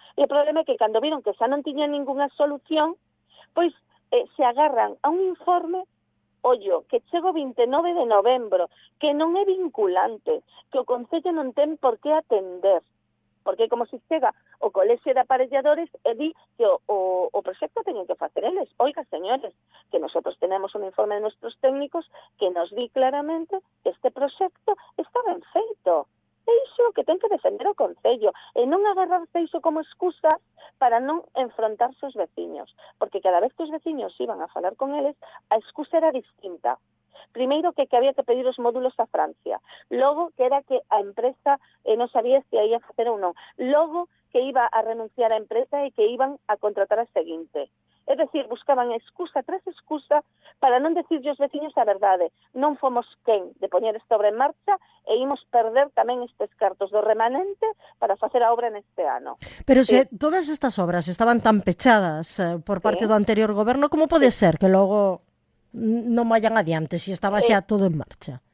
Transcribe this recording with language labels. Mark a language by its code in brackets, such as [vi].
[gl] E o problema é que cando viron que xa non tiña ninguna solución, pois se agarran a un informe, ollo, que chego 29 de novembro, que non é vinculante, que o Concello non ten por que atender, porque como se chega o Colexio de Aparelladores e di que o proxecto teñen que facer eles. [es] Oiga, señores, que nosotros tenemos un informe de nuestros técnicos que nos [gl] di claramente que este proxecto está ben feito. É iso que ten que defender o Concello, e non agarrarse iso como excusa para non enfrontarse aos veciños. Porque cada vez que os veciños iban a falar con eles, a excusa era distinta. primeiro que había que pedir os módulos a Francia, logo que era que a empresa non sabía se ia facer ou non, logo que iba a renunciar a empresa e que iban a contratar a seguinte. É dicir, buscaban excusa tras excusa para non decirlle aos veciños a verdade. Non fomos quen de poñer esta obra en marcha e imos perder tamén estes cartos do remanente para facer a obra neste ano. Pero se todas estas obras estaban tan pechadas por parte do anterior goberno, como pode ser que logo non vayan adiante se estaba xa todo en marcha?